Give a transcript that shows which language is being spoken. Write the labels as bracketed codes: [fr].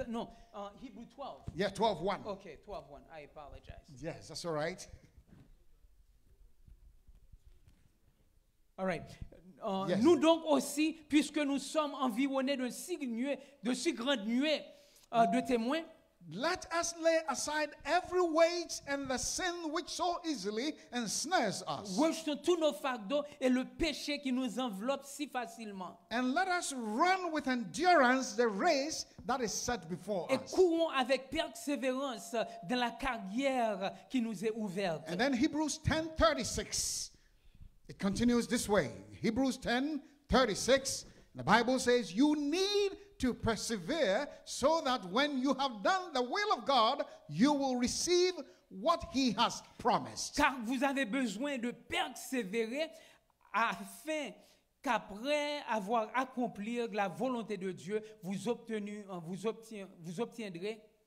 [en] Non, Hebrew 12. Yeah, 12:1. Okay, 12:1. I apologize. Yes, that's all right. All right. Yes. [fr] Nous donc aussi, puisque nous sommes environnés de si grandes nuées de témoins. [en] Let us lay aside every weight and the sin which so easily ensnares us. [fr] Rejetons tous nos fardeaux et le péché qui nous enveloppe si facilement. [en] And let us run with endurance the race that is set before us. [fr] Et courons avec persévérance dans la carrière qui nous est ouverte. [en] And then Hebrews 10:36. It continues this way. Hebrews 10:36. The Bible says, you need to persevere so that when you have done the will of God, you will receive what he has promised. [fr] Car vous avez besoin de persévérer afin qu'après avoir accompli la volonté de Dieu, vous obtiendrez